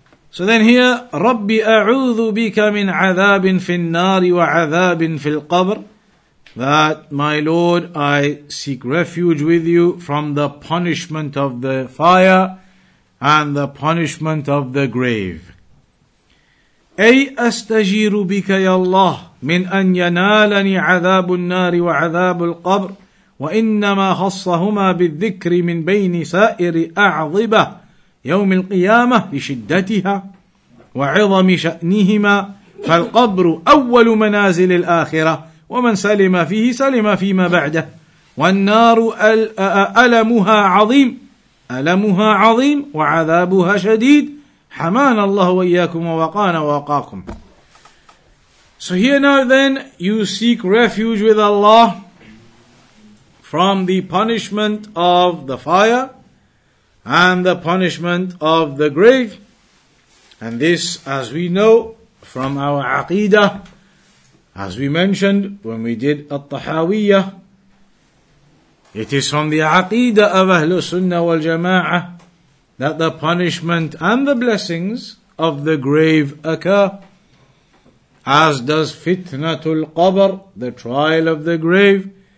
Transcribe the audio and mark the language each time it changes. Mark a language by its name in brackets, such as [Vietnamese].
[English] So then here, [Arabic] رَبِّ أَعُوذُ بِكَ مِنْ عَذَابٍ فِي النَّارِ وَعَذَابٍ فِي الْقَبْرِ. [English] That, my Lord, I seek refuge with you from the punishment of the fire and the punishment of the grave. [Arabic] أي أستجير بك يا الله من أن ينالني عذاب النار وعذاب القبر وإنما خصهما بالذكر من بين سائر أعظبة يوم القيامة لشدتها وعظم شأنهما فالقبر أول منازل الآخرة ومن سلم فيه سلم فيما بعده والنار ألمها عظيم ألمها عظيم وعذابها شديد حمان الله وإياكم ووقانا ووقاكم. [English] So here now then you seek refuge with Allah from the punishment of the fire and the punishment of the grave. And this, as we know from our aqidah, as we mentioned when we did At-Tahawiyyah, it is from the aqidah of Ahlul Sunnah wal Jama'ah that the punishment and the blessings of the grave occur, as does fitnatul qabr, the trial of the grave.